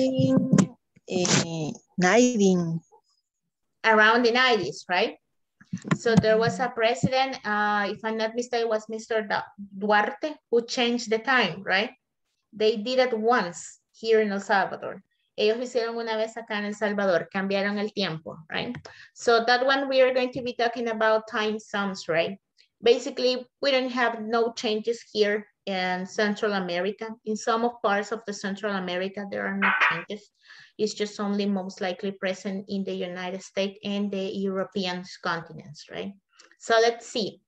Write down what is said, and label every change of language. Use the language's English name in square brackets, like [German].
[English] In 19. Around the 90s, right? So there was a president, if I'm not mistaken, was Mr. Duarte, who changed the time, right? They did it once here in El Salvador. [Spanish] Ellos hicieron una vez acá en El Salvador, cambiaron el tiempo, right? [English] So that one we are going to be talking about time zones, right? Basically, we don't have no changes here in Central America. In some of parts of the Central America, there are no changes. It's just only most likely present in the United States and the European continents, right? So let's see.